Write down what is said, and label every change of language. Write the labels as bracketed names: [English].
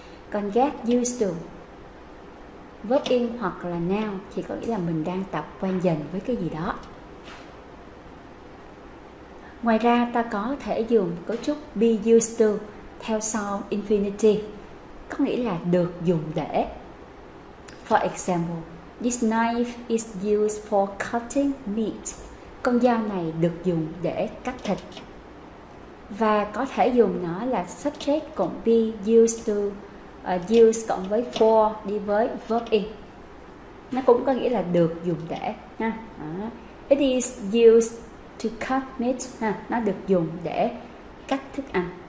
[Vietnamese] Còn get used to, verb in hoặc là noun thì có nghĩa là mình đang tập quen dần với cái gì đó. Ngoài ra ta có thể dùng cấu trúc be used to theo sau infinitive, có nghĩa là được dùng để. [English] For example, this knife is used for cutting meat. [Vietnamese] Con dao này được dùng để cắt thịt. Và có thể dùng nó là subject cộng be used to, use cộng với for đi với verb in. Nó cũng có nghĩa là được dùng để ha. [English] It is used to cut meat [Vietnamese] ha, nó được dùng để cắt thức ăn.